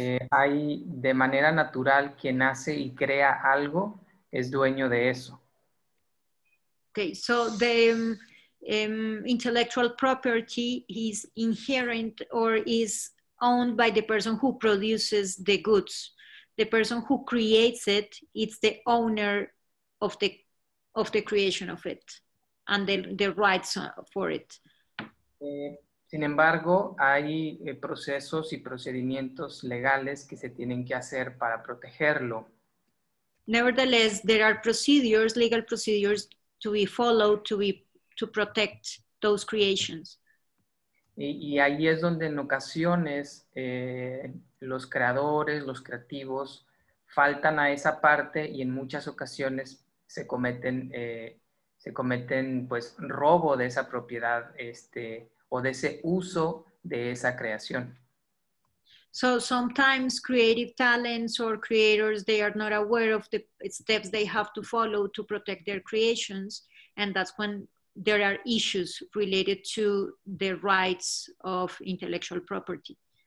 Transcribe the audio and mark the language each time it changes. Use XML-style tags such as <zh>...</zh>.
<es>Hay de manera natural quien hace y crea algo es dueño de eso.</es> <en>Okay, so the intellectual property is inherent or is owned by the person who produces the goods. The person who creates it, it's the owner of the creation of it and the rights for it.</en> <es>Sin embargo, hay procesos y procedimientos legales que se tienen que hacer para protegerlo.</es> <en>Nevertheless, there are procedures, legal procedures, to be followed to protect those creations.</en> <es>Y ahí es donde en ocasiones los creadores, los creativos, faltan a esa parte y en muchas ocasiones se cometen pues robo de esa propiedad o de ese uso de esa creación.</es> <en>So sometimes creative talents or creators, they are not aware of the steps they have to follow to protect their creations. And that's when there are issues related to the rights of intellectual property.</en>